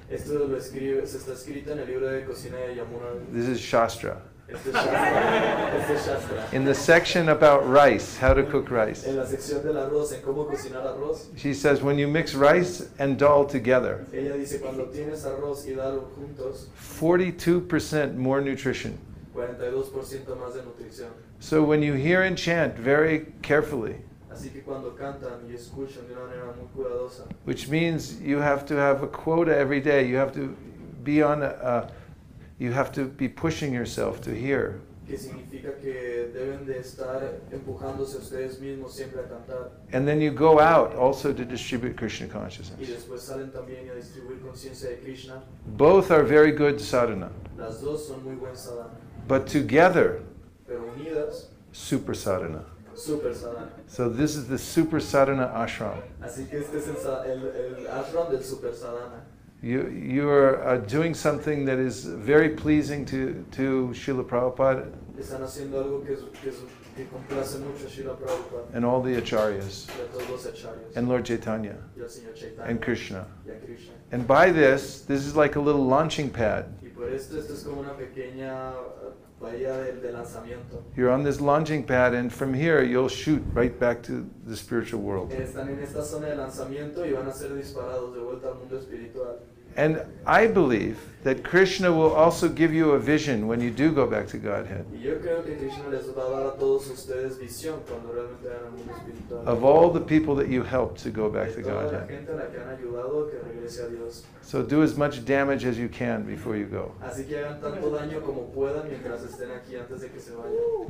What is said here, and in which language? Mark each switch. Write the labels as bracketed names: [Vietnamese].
[Spanish] Esto lo escribe, se está escrito en el libro de cocina de Yamuna. [English] This is Shastra. [Spanish] Este es Shastra. [English] In the section about rice, how to cook rice. [Spanish] En la sección del arroz, en cómo cocinar arroz. [English] She says, when you mix rice and dal together, [Spanish] ella dice, cuando tienes arroz y dal juntos, [English] 42% more nutrition. [Spanish] 42% más de nutrición. [English] So when you hear and chant very carefully, [Spanish] Así que cuando cantan y escuchan de una manera muy cuidadosa. [English] Which means you have to have a quota every day. You have to be on a you have to be pushing yourself to hear. [Spanish] Que significa que deben de estar empujándose ustedes mismos siempre a cantar. [English] And then you go out also to distribute Krishna consciousness. [Spanish] Y después salen también a distribuir conciencia de Krishna. [English] Both are very good sadhana. [Spanish] Las dos son muy buen sadhana. [English] But together, [Spanish] pero unidas, [English] super sadhana. [Spanish] Super sadhana. [English] So this is the super sadhana ashram. [Spanish] Así que este es el ashram del super sadhana. [English] You are doing something that is very pleasing to Srila Prabhupada. [Spanish] Están haciendo algo que complace mucho a Srila Prabhupada. [English] And all the acharyas. [Spanish] Y a todos los acharyas. [English] And Lord Chaitanya. [Spanish] Y al señor Chaitanya. [English] And Krishna. [Spanish] Y a Krishna. [English] And by this is like a little launching pad. [Spanish] Y por esto es como una pequeña bahía de lanzamiento. [English] You're on this launching pad, and from here you'll shoot right back to the spiritual world. [Spanish] Están en esta zona de lanzamiento y van a ser disparados de vuelta al mundo espiritual. [English] And I believe that Krishna will also give you a vision when you do go back to Godhead. [Spanish] Y yo creo que Krishna les va a dar a todos ustedes visión cuando realmente vayan al mundo espiritual. [English] Of all the people that you helped to go back to Godhead. [Spanish] De toda la gente a la que han ayudado que regrese a Dios. [English] So do as much damage as you can before you go. [Spanish] Así que hagan tanto daño como puedan mientras estén aquí antes de que se vayan.